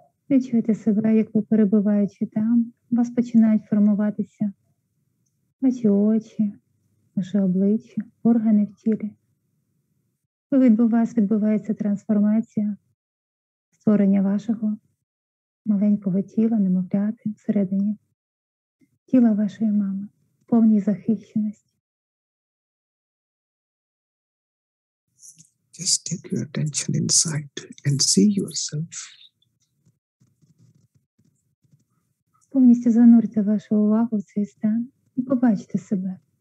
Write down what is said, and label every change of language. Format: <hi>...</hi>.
<uk>Відчуєте себе, як ви перебуваючи там, у вас починають формуватися ваші очі, ваше обличчя, органи в тілі. У вас відбувається трансформація створення вашого маленького тіла, немовляти, всередині тіла вашої мами, повній захищеності.</uk> <en>Just take your attention inside and see yourself.</en> <uk>Повністю занурте вашу увагу в цей стан і побачте себе.</uk>